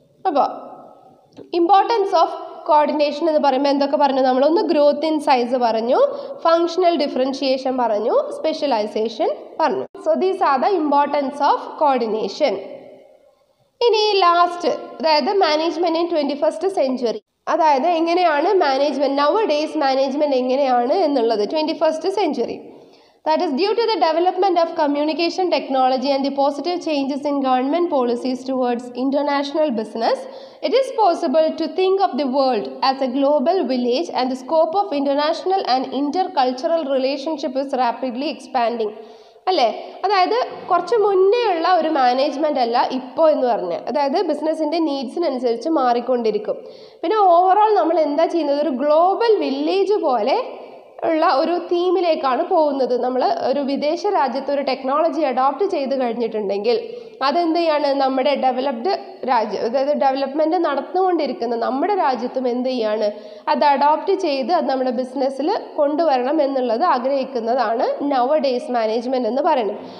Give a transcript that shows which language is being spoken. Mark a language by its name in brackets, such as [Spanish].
[Malayalam] അപ്പോൾ importance of coordination എന്ന് പറയുമ്പോൾ എന്തൊക്കെ പറഞ്ഞു നമ്മൾ, ഒന്ന് ഗ്രോത്ത് ഇൻ സൈസ് പറഞ്ഞു, ഫങ്ഷണൽ ഡിഫറൻഷിയേഷൻ പറഞ്ഞു, സ്പെഷ്യലൈസേഷൻ പറഞ്ഞു. [English] So these are the importance of coordination. [Malayalam] ഇനി ലാസ്റ്റ്, അതായത് മാനേജ്മെൻറ്റ് ഇൻ 21st century, അതായത് എങ്ങനെയാണ് മാനേജ്മെൻറ്റ് നൗ ഡേയ്സ് മാനേജ്മെൻറ്റ് എങ്ങനെയാണ് എന്നുള്ളത് 21st century. [English] That is, due to the development of communication technology and the positive changes in government policies towards international business, it is possible to think of the world as a global village, and the scope of international and intercultural relationship is rapidly expanding. [Malayalam] അല്ലേ, അതായത് കുറച്ച് മുന്നേയുള്ള ഒരു management അല്ല ഇപ്പോൾ എന്ന് പറഞ്ഞ്, അതായത് ബിസിനസ്സിൻ്റെ നീഡ്സിനനുസരിച്ച് മാറിക്കൊണ്ടിരിക്കും. പിന്നെ ഓവറോൾ നമ്മൾ എന്താ ചെയ്യുന്നത്, ഒരു ഗ്ലോബൽ വില്ലേജ് പോലെ ഉള്ള ഒരു തീമിലേക്കാണ് പോകുന്നത്. നമ്മൾ ഒരു വിദേശ രാജ്യത്ത് ഒരു ടെക്നോളജി അഡോപ്റ്റ് ചെയ്ത് കഴിഞ്ഞിട്ടുണ്ടെങ്കിൽ അതെന്ത് ചെയ്യാണ്, നമ്മുടെ ഡെവലപ്ഡ് രാജ്യം, അതായത് ഡെവലപ്മെൻറ്റ് നടന്നുകൊണ്ടിരിക്കുന്ന നമ്മുടെ രാജ്യത്തും എന്ത് ചെയ്യാണ്, അത് അഡോപ്റ്റ് ചെയ്ത് അത് നമ്മുടെ ബിസിനസ്സിൽ കൊണ്ടുവരണം എന്നുള്ളത് ആഗ്രഹിക്കുന്നതാണ് നവ ഡേയ്സ് മാനേജ്മെൻ്റ് എന്ന് പറയുന്നത്.